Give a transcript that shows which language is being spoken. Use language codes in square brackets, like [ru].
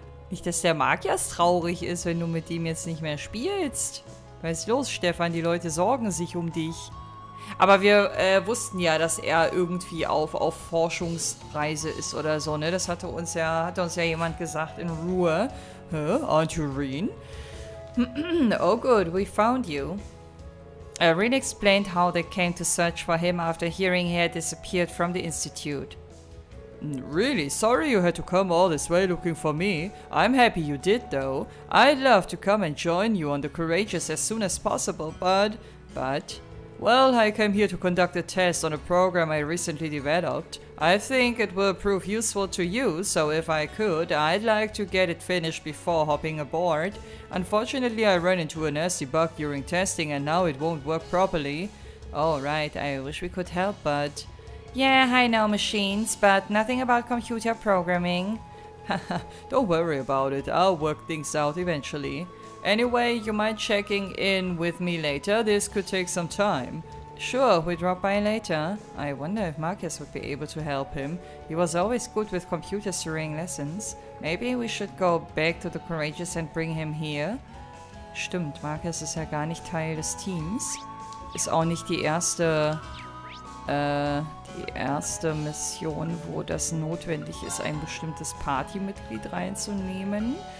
[de] Nicht, dass der Magias traurig ist, wenn du mit ihm jetzt nicht mehr spielst. Was ist los, Stefan? Die Leute sorgen sich um dich. Aber wir wussten ja, dass er irgendwie auf Forschungsreise ist oder so, ne? Das hatte uns ja jemand gesagt in Ruhe. [en] Hä? Aren't you Reen? Oh good, we found you. Reen explained how they came to search for him after hearing he had disappeared from the Institute. Really? Sorry you had to come all this way looking for me. I'm happy you did, though. I'd love to come and join you on the Courageous as soon as possible, but... Well, I came here to conduct a test on a program I recently developed. I think it will prove useful to you, so if I could, I'd like to get it finished before hopping aboard. Unfortunately, I ran into a nasty bug during testing and now it won't work properly. Oh, right, I wish we could help, but... Yeah, I know machines, but nothing about computer programming. Haha, don't worry about it, I'll work things out eventually. Anyway, you mind checking in with me later? This could take some time. Sure, we drop by later. I wonder if Marcus would be able to help him. He was always good with computers during lessons. Maybe we should go back to the Courageous and bring him here? [de] Stimmt, Marcus ist ja gar nicht Teil des Teams. Ist auch nicht die erste... die erste Mission, wo das notwendig ist, ein bestimmtes Partymitglied reinzunehmen.